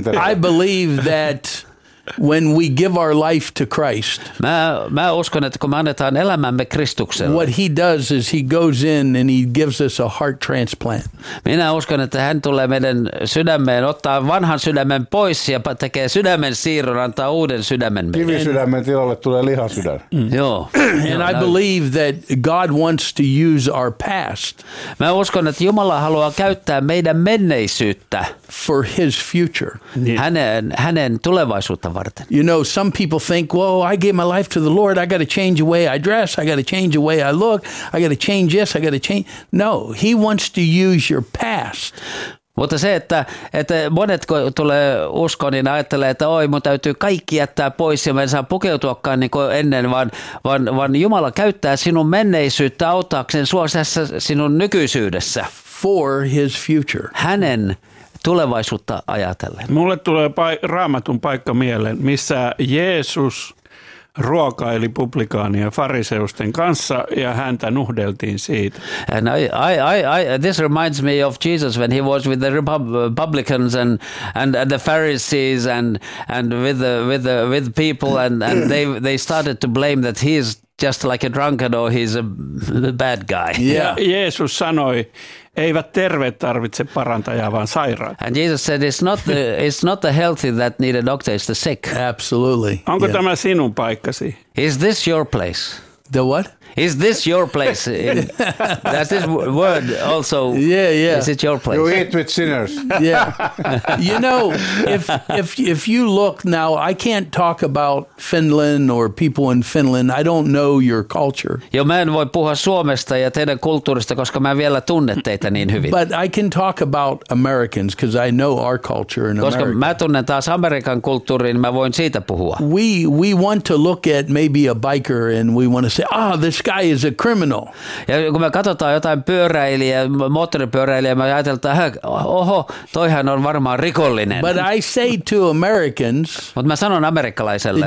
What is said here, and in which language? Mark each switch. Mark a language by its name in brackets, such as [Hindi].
[English] I believe that when we give our life to Christ, [Finnish] mä uskon, että kun me annetaan elämämme Kristukselle, [English] what he does is he goes in and he gives us a heart transplant. [Finnish] Minä uskon, että hän tulee meidän sydämeen, ottaa vanhan sydämen pois ja tekee sydämen siirron, antaa uuden sydämen meille. Kivisydämen tilalle tulee lihasydän. Joo. [English] And I believe that God wants to use our past. [Finnish] Mä uskon, että Jumala haluaa käyttää meidän menneisyyttä [English] for his future. [Finnish] Hänen tulevaisuutta. [English] You know, some people think, well, I gave my life to the Lord. I got to change the way I dress. I got to change the way I look. I got to change this. I got to change. No, he wants to use your past. [Finnish] Mutta se, että monet kun tulee uskoon, niin ajattelee, että oi, mun täytyy kaikki jättää pois ja mä en saa pukeutuakaan niin kuin ennen, vaan Jumala käyttää sinun menneisyyttä auttaakseen suosessa sinun nykyisyydessä. [English] For his future. Hänen tulevaisuutta ajatellen. [Finnish] Mulle tulee Raamatun paikka mieleen, missä Jeesus ruokaili publikaania fariseusten kanssa ja häntä nuhdeltiin siitä. [English] And I this reminds me of Jesus when he was with the publicans and the Pharisees and with the people and they started to blame that he's just like a drunkard or he's a bad guy. Yeah. [Finnish] Jeesus sanoi, eivät terveet tarvitse parantajaa, vaan sairaat. [English] And Jesus said, it's not the healthy that need a doctor, it's the sick. Absolutely. [Finnish] Onko tämä sinun paikkasi? [English] Is this your place? The what? Is this your place? That's this word also. Yeah, yeah. Is it your place? You eat with sinners. Yeah. You know, if you look now, I can't talk about Finland or people in Finland. I don't know your culture. [Finnish] Joo, mä en voi puhua Suomesta ja teidän kulttuurista, koska mä vielä tunnen teitä niin hyvin. [English] But I can talk about Americans because I know our culture in America. [Finnish] Koska mä tunnen taas Amerikan kulttuuriin, mä voin siitä puhua. [English] We want to look at maybe a biker and we want to say, this guy is a criminal. [Finnish] Ja kun me katsotaan jotain pyöräilijää, moottoripyöräilijää, me ajatellaan, oho, toihan on varmaan rikollinen. [English] But I say to Americans, [Finnish] mutta mä sanon amerikkalaiselle,